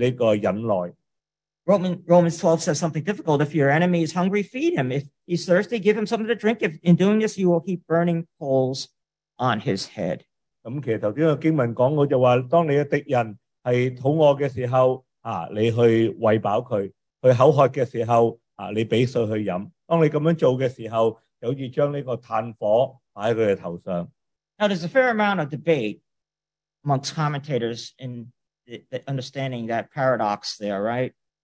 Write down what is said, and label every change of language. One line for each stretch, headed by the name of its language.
Chinese: 第五就是说,你反对他的时候,带着这个是虚心,带着这个忍耐。Romans
English: 12 says something difficult. If your enemy is hungry, feed him. If he's thirsty, give him something to drink. If in doing this, you will keep burning coals on his head.
Chinese: 其实刚才经文讲过,当你的敌人是肚饿的时候, 你去喂饱他,去口渴的时候,你给水去喝。当你这样做的时候,就好像将这个炭火放在他们头上。
English: Now there's a fair amount of debate amongst commentators in the understanding that paradox there, right?